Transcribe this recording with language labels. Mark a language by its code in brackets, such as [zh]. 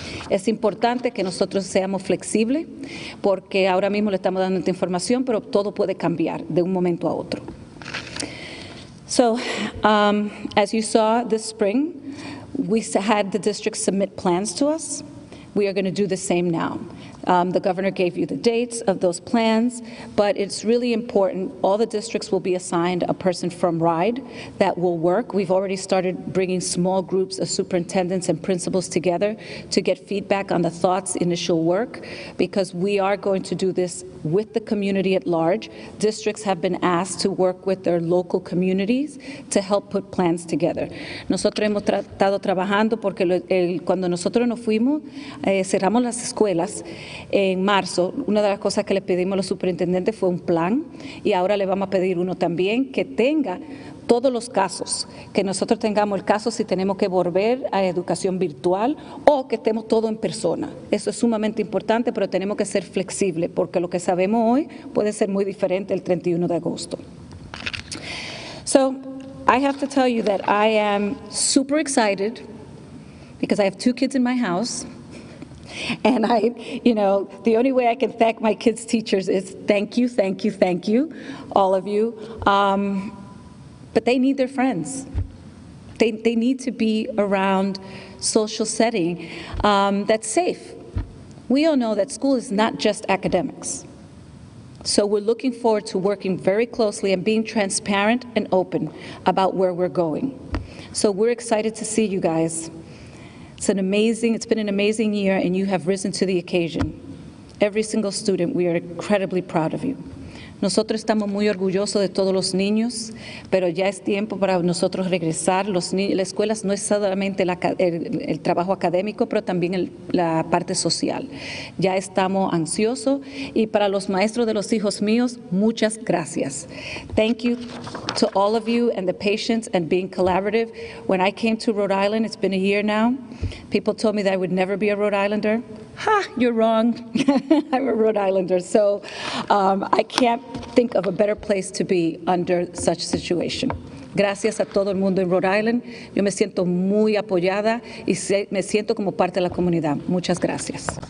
[es] Es importante que nosotros seamos flexibles porque ahora mismo le estamos dando esta información, pero todo puede cambiar de un momento a otro. [en] So, as you saw this spring, we had the district submit plans to us. We are going to do the same now. The governor gave you the dates of those plans, but it's really important, all the districts will be assigned a person from RIDE that will work. We've already started bringing small groups of superintendents and principals together to get feedback on the thoughts, initial work, because we are going to do this with the community at large. Districts have been asked to work with their local communities to help put plans together. [es] Nosotros hemos estado trabajando porque cuando nosotros nos fuimos, cerramos las escuelas en marzo, una de las cosas que le pedimos a los superintendentes fue un plan, y ahora le vamos a pedir uno también que tenga todos los casos, que nosotros tengamos el caso si tenemos que volver a educación virtual o que estemos todo en persona. Eso es sumamente importante, pero tenemos que ser flexibles porque lo que sabemos hoy puede ser muy diferente el 31 de agosto. [en] So, I have to tell you that I am super excited because I have two kids in my house. And I, you know, the only way I can thank my kids' teachers is thank you, thank you, thank you, all of you. But they need their friends. They need to be around social setting that's safe. We all know that school is not just academics. So we're looking forward to working very closely and being transparent and open about where we're going. So we're excited to see you guys. It's been an amazing year, and you have risen to the occasion. Every single student, we are incredibly proud of you. [es] Nosotros estamos muy orgullosos de todos los niños, pero ya es tiempo para nosotros regresar. La escuela no es solamente el trabajo académico, pero también la parte social. Ya estamos ansiosos, y para los maestros de los hijos míos, muchas gracias. [en] Thank you to all of you and the patience and being collaborative. When I came to Rhode Island, it's been a year now, people told me that I would never be a Rhode Islander. Ha, you're wrong. I'm a Rhode Islander, so I can't think of a better place to be under such situation. [es] Gracias a todo el mundo en Rhode Island. Yo me siento muy apoyada y me siento como parte de la comunidad. Muchas gracias.